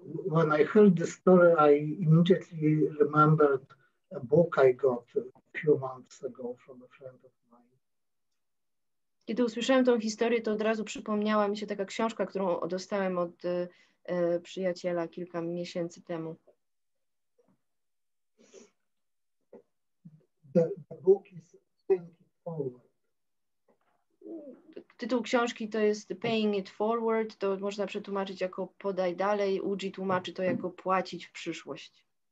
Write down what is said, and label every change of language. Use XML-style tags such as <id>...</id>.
<en>When I heard the story, I immediately remembered a book I got a few months ago from a friend of mine.</en> <pl>Kiedy usłyszałem tą historię, to od razu przypomniała mi się taka książka, którą dostałem od przyjaciela kilka miesięcy temu.</pl> <en>The book is Paying It Forward.</en> <pl>Tytuł książki to jest Paying It Forward, to można przetłumaczyć jako Podaj dalej. Uji tłumaczy to jako Płacić w przyszłość.</pl>